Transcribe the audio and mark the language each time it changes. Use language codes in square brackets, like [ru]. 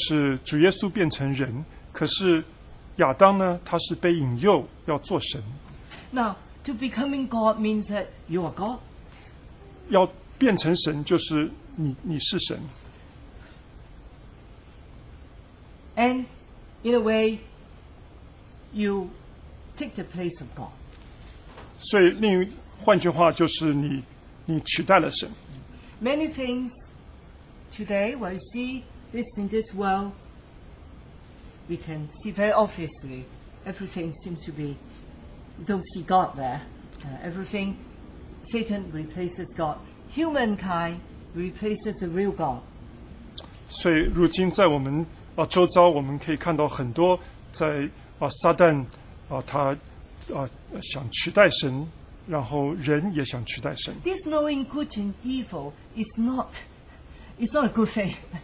[zh] 所以对比就是主耶稣变成人, 可是 亚当呢, 他是被引诱, 要做神。 [en] Now, to becoming God means that you are God. [zh] 要变成神就是你是神。 [en] And in a way, you take the place of God. [zh] 所以另一, 换句话就是你取代了神。 [en] many things today, what you see, this in this world, we can see very obviously, everything seems to be, don't see God there. Everything, Satan replaces God. Humankind replaces the real God. [zh] 所以如今在我们, 周遭我们可以看到很多在, 撒旦, 他, 想取代神, 然后人也想取代神。 [en] This knowing good and evil is not, it's not a good thing.